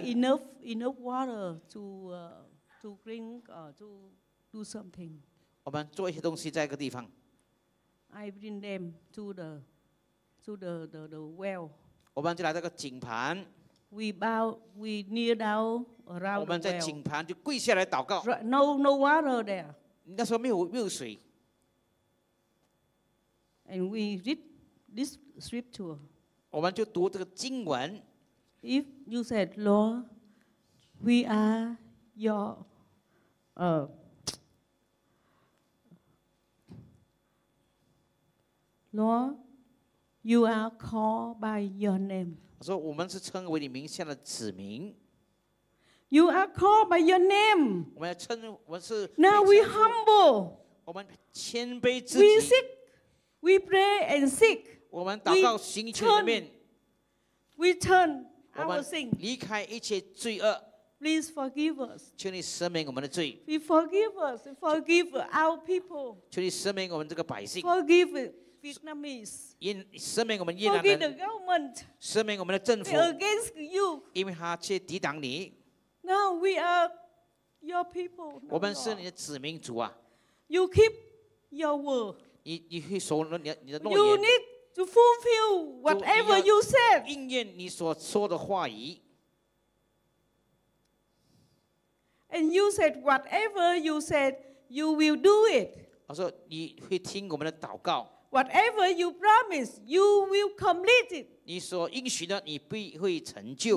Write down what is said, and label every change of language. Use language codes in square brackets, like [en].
[en] They don't have enough water to drink to do something. [zh] 我们做一些东西在一个地方。 [en] I bring them to the well. [zh] 我们就来到个井旁。 [en] We kneel down around. [zh] 我们在井旁就跪下来祷告。 [en] No water there. [zh] 那时候没有水。 [en] And we read this scripture. [zh] 我们就读这个经文。 [en] If you said, Lord, we are Lord, you are called by your name. [zh] 说我们是称为你名下的子民。 [en] You are called by your name. [zh] 我们要称，我是。 [en] Now we humble. [zh] 我们谦卑自己。 [en] We seek, we pray and seek. [zh] 我们祷告寻求的面。 [en] We turn our sin. [zh] 离开一切罪恶。 [en] Please forgive us. [zh] 求你赦免我们的罪。 [en] We forgive us. Forgive our people. [zh] 求你赦免我们这个百姓。 [en] Forgive Vietnamese. [zh] 赦免我们越南人。 [en] Forgive the government. [zh] 赦免我们的政府。 [en] They're against you. [zh] 因为他却抵挡你。 [en] Now we are your people. [zh] 我们是你的子民族啊。 [en] You keep your word. [zh] 你去守了你的诺言。 [en] You need. To fulfill whatever you said. [zh] 应验你所说的话语。 [en] And you said whatever you said, you will do it. [zh] 我说你会听我们的祷告。 [en] Whatever you promise, you will complete it. [zh] 你所应许的，你必会成就。